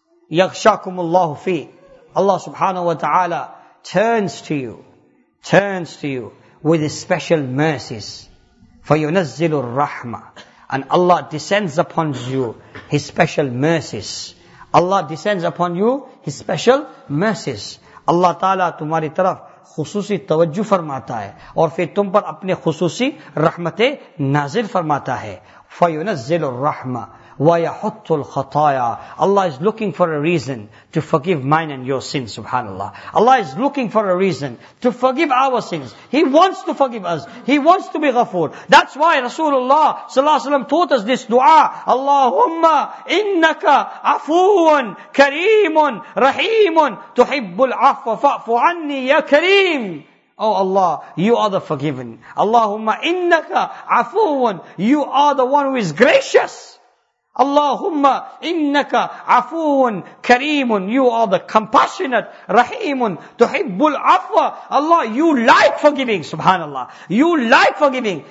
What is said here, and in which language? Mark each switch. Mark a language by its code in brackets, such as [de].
[ar] يَغْشَاكُمُ اللَّهُ فِيهِ [en] Allah subhanahu wa ta'ala turns to you with His special mercies. [ar] فَيُنَزِّلُ الرَّحْمَةِ [en] And Allah descends upon you His special mercies. Allah descends upon you His special mercies. [ur] Allah ta'ala tumhari taraf خصوصی توجہ فرماتا ہے اور پھر تم پر اپنے خصوصی رحمتیں نازل فرماتا ہے [ar] فَيُنَزِّلُ الرَّحْمَةِ وَيَحُطُّ الْخَطَايَا [ur] اللہ [en] is looking for a reason to forgive mine and your sins, [ur] subhanAllah. [en] Allah is looking for a reason to forgive our sins. He wants to forgive us. He wants to be ghafoor. That's why Rasulullah صلى الله عليه وسلم taught us this dua. [ar] اللهم إنك عفو كريم رحيم تحب العفو فاعف عني يا كريم. [en] Oh Allah, you are the forgiven. [ar] Allahumma innaka afuwan. [en] You are the one who is gracious. [ar] Allahumma innaka afuwan kareemun. [en] You are the compassionate, [ar] raheemun, tuhibbul afwa. [en] Allah, you like forgiving, subhanAllah. You like forgiving.